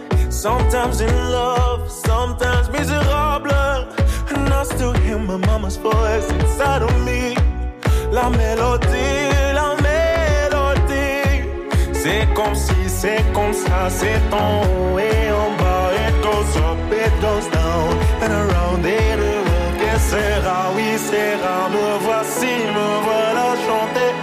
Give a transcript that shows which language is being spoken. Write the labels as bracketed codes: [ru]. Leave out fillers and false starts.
[en] Sometimes in love, sometimes miserable, and I still hear my mama's voice inside of me. [fr] La mélodie, la mélodie. C'est comme ça, c'est en haut et en bas. [en] It goes up, it goes down, and around it around. [fr] Que sera, oui sera, me voici, me voilà, chanter.